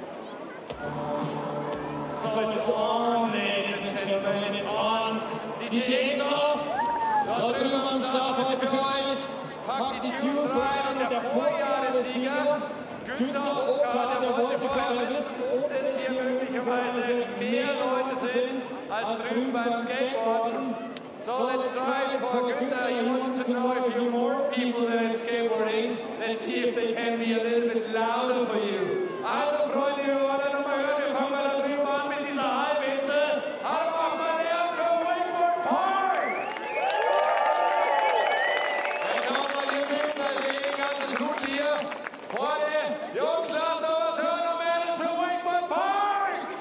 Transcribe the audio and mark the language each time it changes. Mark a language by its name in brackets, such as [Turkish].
[English] So it's on, ladies and gentlemen, it's on. [German] DJ, [English] it's off. [German] Da drüben am Start heute für euch. Packt die Tunes rein und der Vorjahressieger, Günther Opa, der wollte gerade wissen, ob es hier möglicherweise mehr Leute sind als drüben beim Skateboarden. [English] So let's try it for Günther. You want to know if you're more people than skateboarding. Let's see if they can be a little bit louder for you. [German] Also, Freunde, wir wollen dann nochmal hören. Wir fangen mal da drüben an mit dieser Halbinte. Hallo, nochmal der Kurve Wakeboard Park! Ja, schau mal, ihr Mädels, da ist eh ganz gut hier. Freunde, Jungs, lasst doch was hören, noch mehr zu Wakeboard Park!